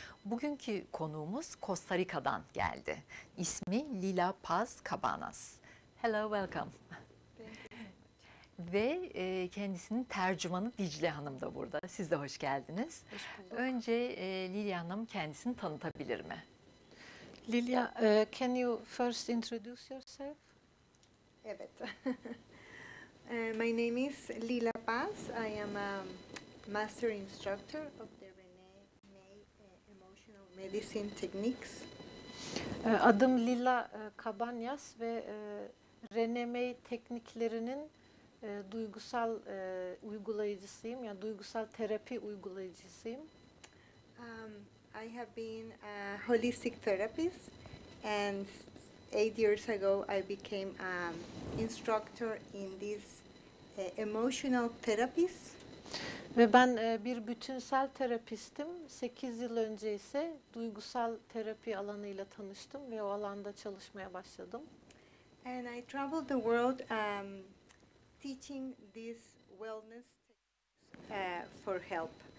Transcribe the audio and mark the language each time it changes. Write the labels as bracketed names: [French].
[Turkish] Bugünkü konuğumuz Costa Rica'dan geldi. İsmi Lila Paz Cabanas. [English] Hello, welcome. [Turkish] Ve kendisinin tercümanı Dicle Hanım da burada. Siz de hoş geldiniz. Hoş bulduk. Önce Lilia Hanım kendisini tanıtabilir mi? [English] Lilia, can you first introduce yourself? [Turkish] Evet. [English] my name is Lila Paz. I am a master instructor of the Rene May Emotional Medicine Techniques. [Turkish] Adım Lila Cabanas ve Rene May tekniklerinin duygusal uygulayıcısıyım, yani duygusal terapi uygulayıcısıyım. [English] I have been a holistic therapist and 8 years ago I became an instructor in this emotional therapies. [Turkish] Ve ben bir bütünsel terapistim. 8 yıl önce ise duygusal terapi alanıyla tanıştım ve o alanda çalışmaya başladım. [English] And I traveled the world teaching these wellness techniques for help.